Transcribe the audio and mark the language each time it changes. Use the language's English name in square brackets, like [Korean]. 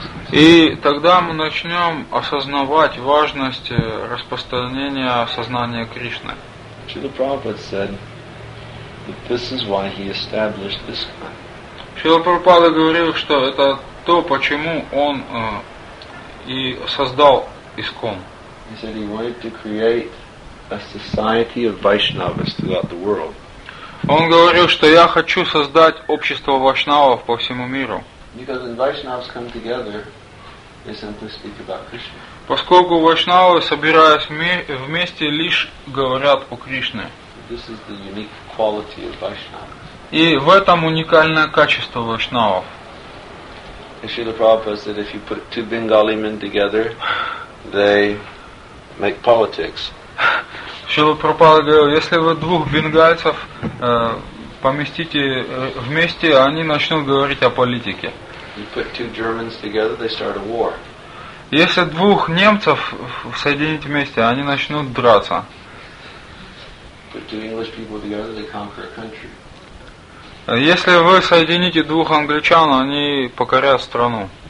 [Russian] И тогда мы начнем осознавать важность распространения сознания Кришны. Шрила Прабхупада говорил, что это то, почему он и создал ИСККОН. [English] He said he wanted to create a society of Vaishnavas throughout the world. [Russian] Он говорил, что я хочу создать общество вайшнавов по всему миру. [English] Because when Vaishnavas come together, they simply speak about Krishna. [Russian] Поскольку вайшнавы, собираясь вместе, лишь говорят о Кришне. [English] This is the unique quality of Vaishnavas. [Russian] И в этом уникальное качество вайшнавов. [English] Шрила Прабхупада said if you put two Bengali men together, they make politics. [Russian] Шрила Прабхупада говорил, если вы двух бенгальцев поместите вместе, они начнут говорить о политике. [English] You put two Germans together, they start a war. [Russian] Если двух немцев соединить вместе, они начнут драться. [English] Put two English people together, they conquer a country. [Russian] Если вы соедините двух англичан, они покорят страну.